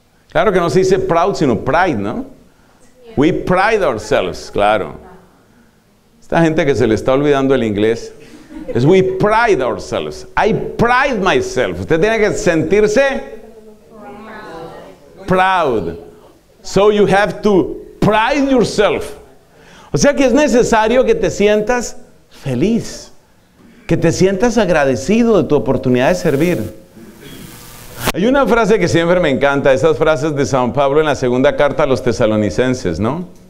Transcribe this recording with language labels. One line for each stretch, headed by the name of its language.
Spanish: Claro que no se dice proud, sino pride, ¿no?
English: We pride ourselves,
Spanish: claro. Esta gente que se le está olvidando el inglés. Es
English: we pride ourselves. I pride myself.
Spanish: Usted tiene que sentirse proud.
English: So you have to pride yourself.
Spanish: O sea que es necesario que te sientas feliz. Que te sientas agradecido de tu oportunidad de servir. Hay una frase que siempre me encanta. Esas frases de San Pablo en la segunda carta a los Tesalonicenses, ¿no?